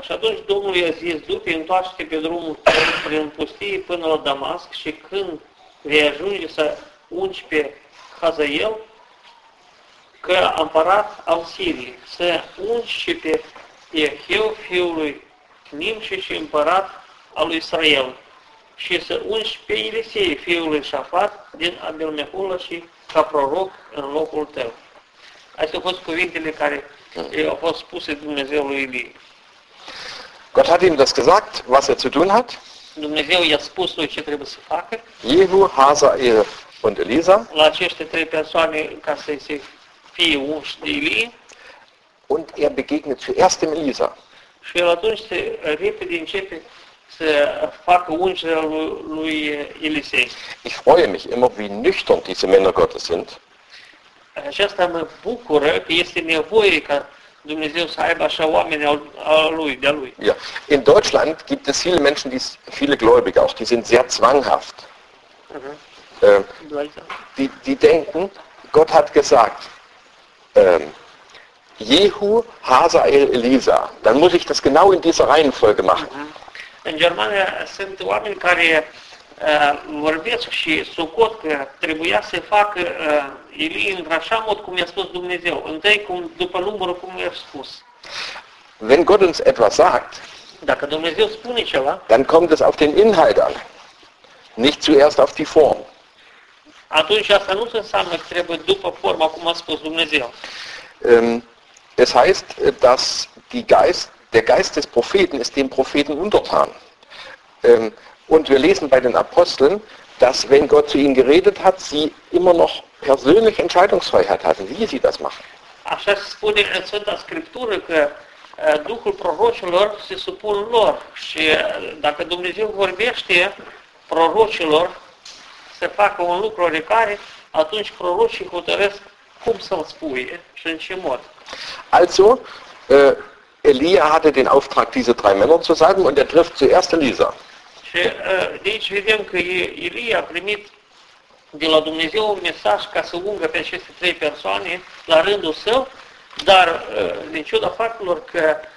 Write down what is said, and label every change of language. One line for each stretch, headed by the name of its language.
Romanian: Și atunci Domnul i-a zis, du-te, întoarce-te pe drumul tău prin pustie până la Damasc și când vei ajunge să ungi pe Hazael, că împărat al Siriei, să ungi și pe Ehiel, fiul lui Nimshi și împărat al lui Israel, și să ungi pe Elisei, fiul lui Șafat, din Abel-Mehulă și ca proroc în locul tău. Astea au fost cuvintele care au fost spuse Dumnezeu lui Ilie.
German: Gott hat ihm das gesagt, was zu tun hat.
Romanian: Dumnezeu i-a spus lui ce trebuie să facă.
German: Jehu, Hazael und Elisa.
Romanian: La aceste trei persoane ca să se fie unși de Ilie.
German: Und begegnet zuerst dem Elisa.
Romanian: Și el atunci se repede începe să facă ungerea lui Elisei.
German: Ich freue mich immer, wie nüchtern diese Männer Gottes sind.
Romanian: Aceasta mă bucură că este nevoie ca Dumnezeu să aibă așa oameni de-a lui.
German: Ja. In Deutschland gibt es viele Menschen, viele Gläubige auch, die sind sehr zwanghaft. Mhm. Die denken, Gott hat gesagt, Jehu, Hazael, Elisa, dann muss ich das genau in dieser Reihenfolge machen. Mhm.
Romanian: În Germania sunt oameni care vorbesc și socot că trebuia să facă Ilie într-așa mod cum i-a spus Dumnezeu. Întâi după numărul cum i-a spus.
German: Wenn Gott uns etwas sagt,
Romanian: dacă Dumnezeu spune ceva,
German: dann kommt es auf den Inhalt an, nicht zuerst auf die Form.
Romanian: Atunci asta nu înseamnă că trebuie după forma cum a spus Dumnezeu.
German: Es heißt, dass der Geist des Propheten ist dem Propheten untertan. Und wir lesen bei den Aposteln, dass wenn Gott zu ihnen geredet hat, sie immer noch persönliche Entscheidungsfreiheit hatten, wie sie das machen.
Romanian: Așa spune în Sfânta Scriptură că Duhul prorocilor se supun lor și dacă Dumnezeu vorbește prorocilor să facă un lucru oricare, atunci prorocii hotăresc cum să-l spuie și în ce mod.
German: Also, Elia hatte den Auftrag, diese drei Männer zu salben, und er trifft zuerst Elisa.
Romanian: Și deci vedem că Elia a primit de la Dumnezeu un mesaj ca să ungă pe aceste trei persoane la rândul său, dar din ciuda faptului că